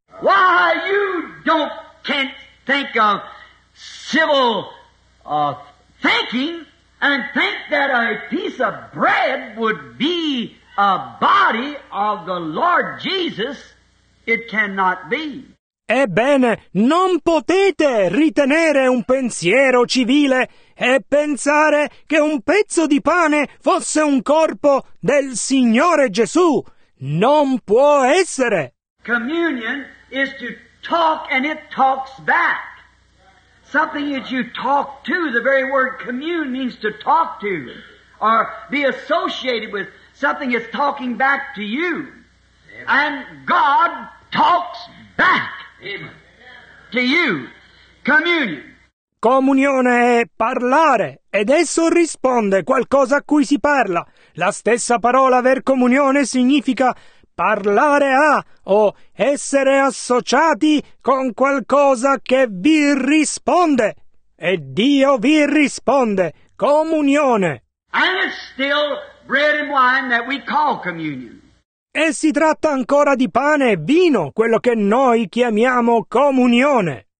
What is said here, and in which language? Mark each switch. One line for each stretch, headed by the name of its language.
English: Why you don't can't think of civil thinking and think that a piece of bread would be a body of the Lord Jesus? It cannot be.
Italian: Ebbene, non potete ritenere un pensiero civile e pensare che un pezzo di pane fosse un corpo del Signore Gesù. Non può essere.
English: Communion is to talk and it talks back. Something that you talk to, the very word commune means to talk to or be associated with something that's talking back to you. And God talks back. To you, communion.
Italian: Comunione è parlare, ed esso risponde qualcosa a cui si parla. La stessa parola aver comunione significa parlare a, o essere associati con qualcosa che vi risponde. E Dio vi risponde, comunione.
English: And it's still bread and wine that we call communion.
Italian: E si tratta ancora di pane e vino, quello che noi chiamiamo comunione.